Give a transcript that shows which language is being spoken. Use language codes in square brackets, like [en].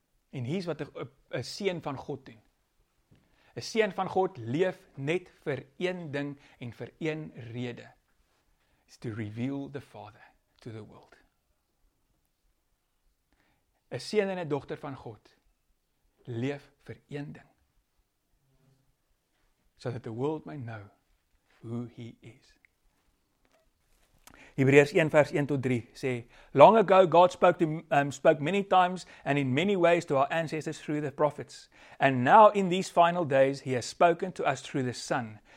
[af] En hier is wat 'n seun van God doen. 'N seun van God leef net vir een ding en vir een rede. [en] Is to reveal the Father to the world. [af] 'N seun en 'n dogter van God leef vir een ding. [en] So that the world may know who he is. [af] Hebreërs 1 vers 1 tot 3 sê, [en] Long ago God spoke many times and in many ways to our ancestors through the prophets. And now in these final days he has spoken to us through the Son.